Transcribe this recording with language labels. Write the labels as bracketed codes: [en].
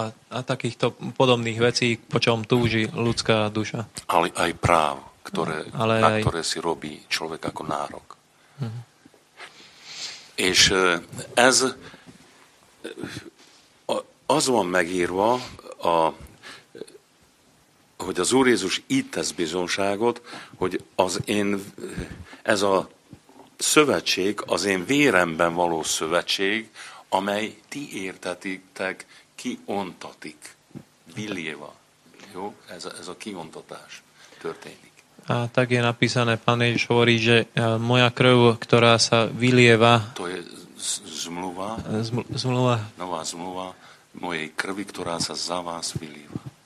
[sk] A takýchto podobných vecí, po čom túži ľudská duša. Ale aj práv, ktoré si robí človek ako nárok. Uh-huh. [hu] És ez az van megírva, hogy az Úr Jézus itt tesz bizonságot, hogy az én, ez a szövetség, az én véremben való szövetség, amely ti értetitek, kiontatik. Viljeva. Jó? Ez a kiontatás történik. [sk] A tak je napísané, Pán Ježiš hovorí, že moja krv, ktorá sa vylieva... To je zmluva. Zmluva. Nová zmluva mojej krvi, ktorá sa za vás vylieva.